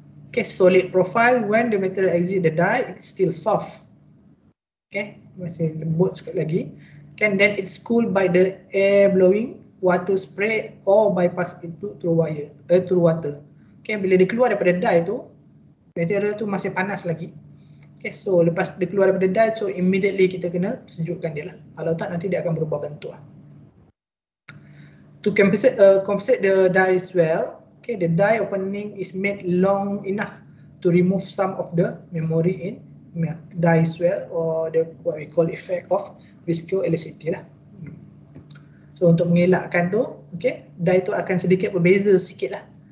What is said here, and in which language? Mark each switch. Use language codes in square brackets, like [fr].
[en] Okay, solid profile when the material exit the die, it's still soft. Okay, [ms] macam lembut sekali lagi. [en] Okay, then it's cooled by the air blowing, water spray or bypass input through wire, through water. [ms] Okay, bila dia keluar daripada die tu, material tu masih panas lagi. Okay, so lepas dia keluar daripada die, so immediately kita kena sejukkan dia lah. Kalau tak, nanti dia akan berubah bentuk lah. [en] To compensate the die as well, okay, the die opening is made long enough to remove some of the memory in die as well, or the what we call effect of viscoelasticity lah. [ms] So untuk mengelakkan tu, okay, die tu akan sedikit berbeza sikit lah.